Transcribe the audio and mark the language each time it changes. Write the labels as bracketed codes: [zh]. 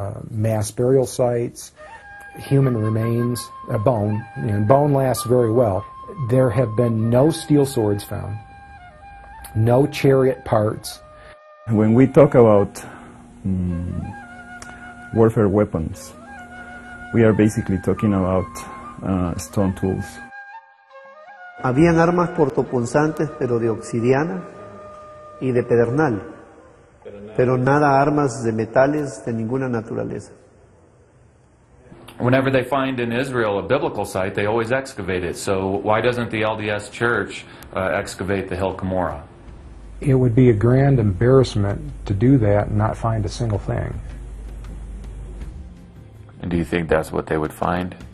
[en] Mass burial sites, human remains, bone, and bone lasts very well. There have been no steel swords found, no chariot parts. When we talk about warfare weapons, we are basically talking about stone tools. [es] Habían armas cortopunzantes, pero de obsidiana y de pedernal, pero nada armas de metales de ninguna naturaleza. [en] Whenever they find in Israel a biblical site, they always excavate it. So why doesn't the LDS Church excavate the Hill Cumorah? It would be a grand embarrassment to do that and not find a single thing. And do you think that's what they would find?